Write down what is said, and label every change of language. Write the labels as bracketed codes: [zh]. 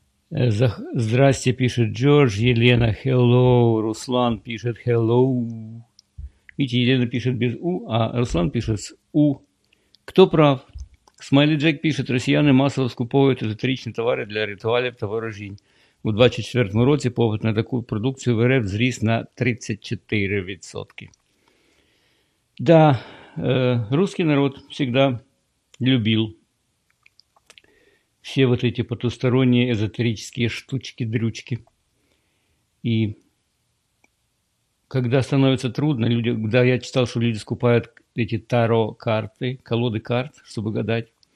[ru] Здрасте, пишет Джордж. Елена, hello. Руслан пишет hello. Видите, Елена пишет без у, а Руслан пишет с у. Кто прав? Смайли Джек пишет: россияне массово скупают эзотеричные товары для ритуалов того рождения. [uk] У 24-му році попит на [ru] такую продукцию [uk] в РФ зріс на 34%. [ru] Да, русский народ всегда любил все вот эти потусторонние эзотерические штучки-дрючки. И когда становится трудно, люди, когда я читал, что люди скупают эти таро-карты, колоды карт, чтобы гадать.